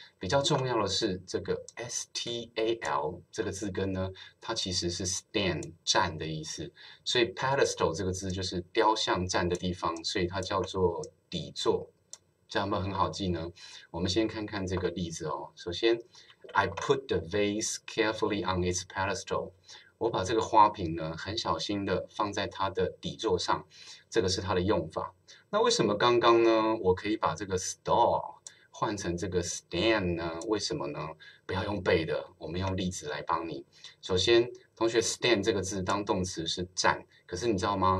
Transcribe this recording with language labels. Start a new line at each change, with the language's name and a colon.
Chinese: 比较重要的是这个 STAL 这个字根呢，它其实是 stand 站的意思，所以 pedestal 这个字就是雕像站的地方，所以它叫做底座。这样有没有很好记呢？我们先看看这个例子哦。首先，
English: I put the vase carefully on its pedestal。
Chinese: 我把这个花瓶呢，很小心的放在它的底座上，这个是它的用法。那为什么刚刚呢？我可以把这个 stall 换成这个 stand 呢？为什么呢？不要用背的，我们用例子来帮你。首先，同学 stand 这个字当动词是站，可是你知道吗？